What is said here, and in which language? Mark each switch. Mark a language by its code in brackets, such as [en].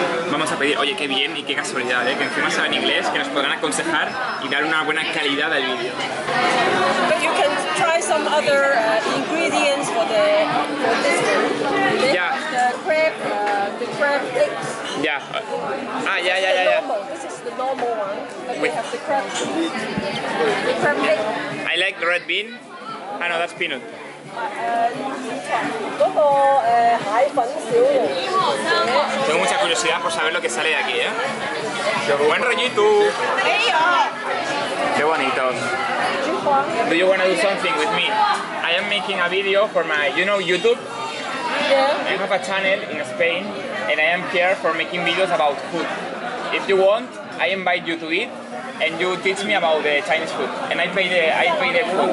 [es] Vamos a pedir, oye, qué bien y qué casualidad, que encima saben inglés, que nos podrán aconsejar y dar una buena calidad al vídeo. [en] But you can try some other ingredients for this one. Yeah. The crab eggs. Yeah. Ah, yeah, this This is the normal one, but we have the crab eggs. I like the red bean. Ah, no, that's peanut. [es] Tengo mucha curiosidad por saber lo que sale de aquí, Buen rollito. Qué bonito. [en] Do you want to do something with me? I am making a video for my, you know, YouTube. Yeah. I have a channel in Spain and I am here for making videos about food. If you want, I invite you to eat. And you teach me about the Chinese food, and I pay the food.